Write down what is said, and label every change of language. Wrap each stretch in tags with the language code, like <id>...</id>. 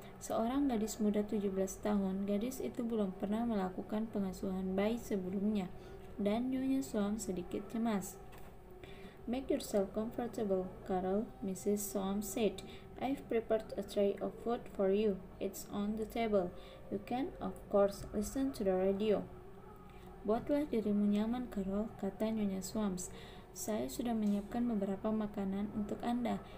<id>Seorang gadis muda 17 tahun, gadis itu belum pernah melakukan pengasuhan bayi sebelumnya, dan Nyonya Soames sedikit cemas.</id> <en>"Make yourself comfortable, Carol," Mrs. Soames said. "I've prepared a tray of food for you. It's on the table. You can, of course, listen to the radio."</en> <id>"Buatlah dirimu nyaman, Carol," kata Nyonya Soames. "Saya sudah menyiapkan beberapa makanan untuk Anda.</id>